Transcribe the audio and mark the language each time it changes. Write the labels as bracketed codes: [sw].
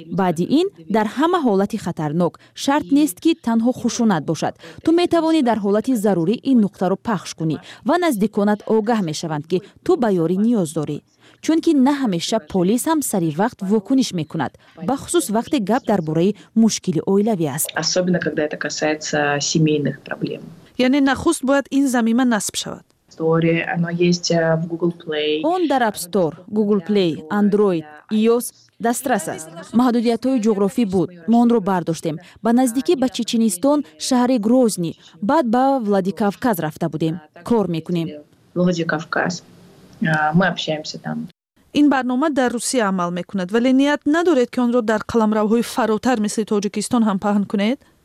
[fa] بعد این در همه حالت خطرناک، شرط نیست که تنها خشونت باشد. تو میتوانی در حالت ضروری این نقطه را پخش کنی و نزدیکانت آگاه میشوند که تو به یاری نیاز داری. چون که نه همیشه پلیس هم سری وقت واکنش میکند، به خصوص وقتی گپ درباره مشکل اویلوی است. [ru] особенно когда это касается [uk] сімейних [ru] проблем. [fa] یعنی نخست باید این زمینه نصب شود. [tg] он дар App Store, Google Play, Android, iOS дастрас аст. Маҳдудиятҳои ҷуғрофӣ буд. Мо онро бардоштем. Ба наздикӣ ба Чеченистон, шаҳри Грозни, баъд ба Владикавказ рафта будем. Кор мекунем. [ru] Владикавказ. Мы общаемся там. [fa] این برنامه در روسیه عمل میکند ولی نیت ندارید که اون رو در قلمروهای فراتر مثل تاجیکستان هم پهن کنید؟